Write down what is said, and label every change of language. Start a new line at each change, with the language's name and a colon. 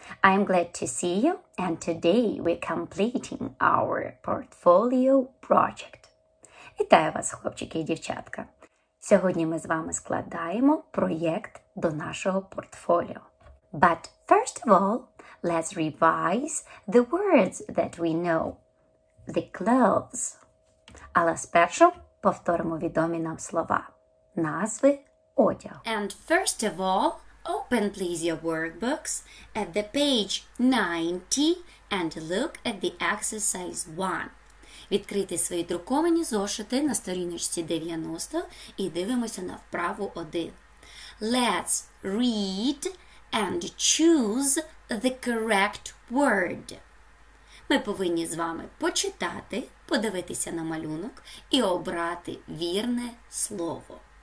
English: I'm glad to see you, and today we're completing our portfolio project.
Ukrainian: Вітаю вас, хлопчики і дівчатка. Сьогодні ми з вами складаємо проєкт до нашого портфоліо.
English: But first of all, let's revise the words that we know. The clothes.
Ukrainian: Але спершу повторимо відомі нам слова. Назви одягу.
English: And first of all, open please your workbooks at the page 90 and look at the exercise 1.
Ukrainian: Відкрити свої друковані зошити на сторіночці 90 і дивимося на вправу 1.
English: Let's read and choose the correct word.
Ukrainian: Ми повинні з вами почитати, подивитися на малюнок і обрати вірне слово.